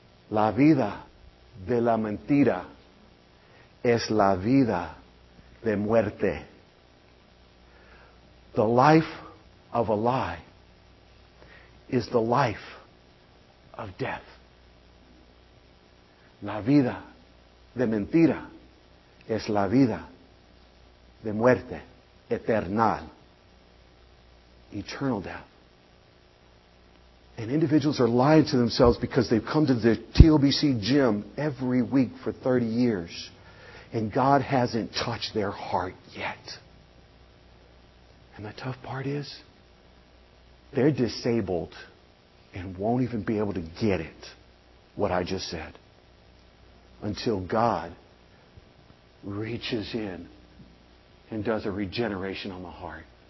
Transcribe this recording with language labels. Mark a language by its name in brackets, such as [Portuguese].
[Spanish] La vida de la mentira es la vida de muerte. [English] The life of a lie is the life of death. [Spanish] La vida de mentira es la vida de muerte eternal. [English] Eternal death. And individuals are lying to themselves because they've come to the TOBC gym every week for 30 years and God hasn't touched their heart yet. And the tough part is they're disabled and won't even be able to get it, what I just said, until God reaches in and does a regeneration on the heart.